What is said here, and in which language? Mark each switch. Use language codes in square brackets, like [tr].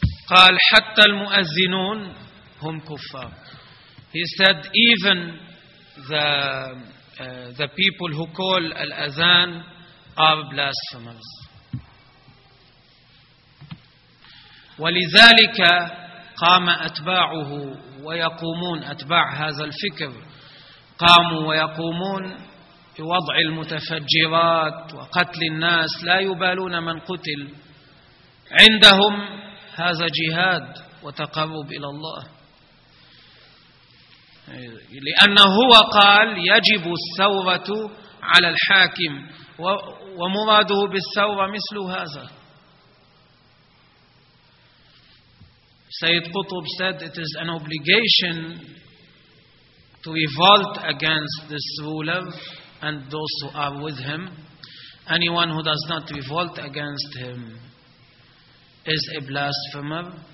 [ar] قال حتى المؤذنون هم كفار. [en] He said even the people who call al-azan are blasphemers. [ar] ولذلك قام أتباعه ويقومون، أتباع هذا الفكر قاموا ويقومون بوضع المتفجرات وقتل الناس، لا يبالون من قتل، عندهم هذا جهاد وتقرب إلى الله، لأنه هو قال يجب الثورة على الحاكم، ومراده بالثورة مثل هذا. [en] Sayyid Qutb said it is an obligation to revolt against this ruler and those who are with him. Anyone who does not revolt against him is a blasphemer.